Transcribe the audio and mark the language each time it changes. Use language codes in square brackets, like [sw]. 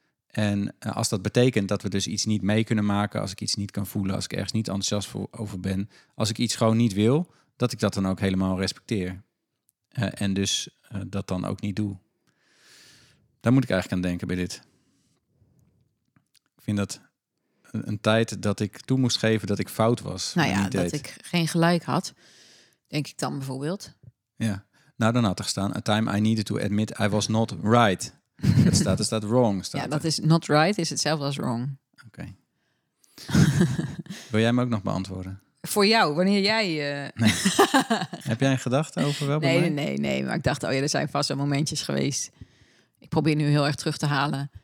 [nl] En als dat betekent dat we dus iets niet mee kunnen maken, als ik iets niet kan voelen, als ik ergens niet enthousiast over ben, als ik iets gewoon niet wil, dat ik dat dan ook helemaal respecteer. En dus dat dan ook niet doe. Daar moet ik eigenlijk aan denken bij dit. Ik vind dat een tijd dat ik toe moest geven dat ik fout was. Nou ja, niet dat deed. Ik geen gelijk had, denk ik dan bijvoorbeeld. Ja, nou dan had er gestaan, [en] a time I needed to admit I was not right. [nl] Het staat, wrong. Staat ja, dat is not right, is hetzelfde als wrong. Oké. Wil jij me ook nog beantwoorden? Voor jou, wanneer jij... Heb jij een gedachte over wel? Nee. Maar ik dacht, oh ja, er zijn vast wel momentjes geweest. Ik probeer nu heel erg terug te halen.